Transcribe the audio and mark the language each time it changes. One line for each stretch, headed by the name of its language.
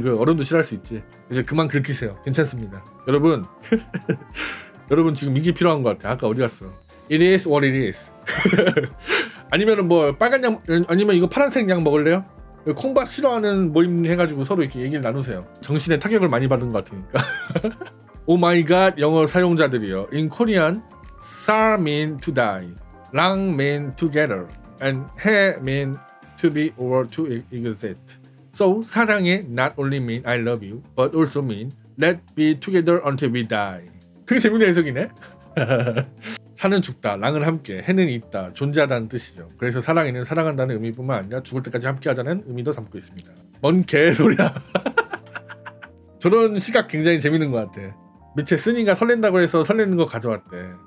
Korean: 그 어른도 싫어할 수 있지. 이제 그만 긁히세요. 괜찮습니다. 여러분 여러분 지금 이게 필요한 것 같아. 아까 어디 갔어?
English: It is what it is.
Korean: 아니면은 뭐 빨간 양 아니면 이거 파란색 양 먹을래요? 콩밥 싫어하는 모임 해가지고 서로 이렇게 얘기를 나누세요. 정신에 타격을 많이 받은 것 같으니까. 오 마이 갓 영어 사용자들이요.
English: In Korean, sar mean to die, lang mean together, and hae mean to be or to exist. So 사랑해 not only mean I love you, but also mean let's be together until we die.
Korean: 되게 재밌는 해석이네. 사는 죽다, 랑은 함께, 해는 있다, 존재하다는 뜻이죠. 그래서 사랑에는 사랑한다는 의미뿐만 아니라 죽을 때까지 함께하자는 의미도 담고 있습니다. 뭔 개소리야. 저런 시각 굉장히 재밌는 것 같아. 밑에 스니가 설렌다고 해서 설레는 거 가져왔대.